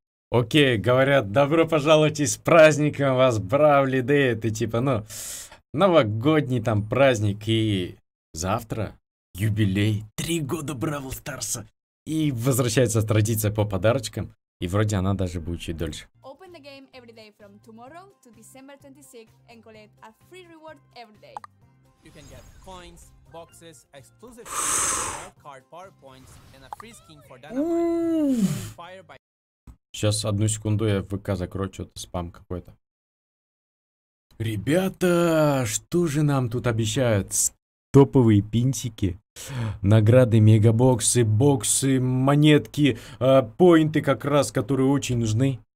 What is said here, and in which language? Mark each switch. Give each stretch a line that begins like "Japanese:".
Russian: Окей, говорят, добро пожаловать и с праздником вас, Бравли Дэй, это типа, ну, новогодний там праздник, и завтра юбилей, 3 года Бравл Старса, и возвращается традиция по подарочкам, и вроде она даже будет чуть дольше.
English: Open the game every day from tomorrow to December 26 and collect a free reward every day. You can get coins, boxes, exclusive card, power points, and a free skin for Dynamite.
Russian: Сейчас, одну секунду, я в ВК закрою, что-то спам какой-то. Ребята, что же нам тут обещают? Топовые пинтики, награды, мегабоксы, боксы, монетки, поинты как раз, которые очень нужны.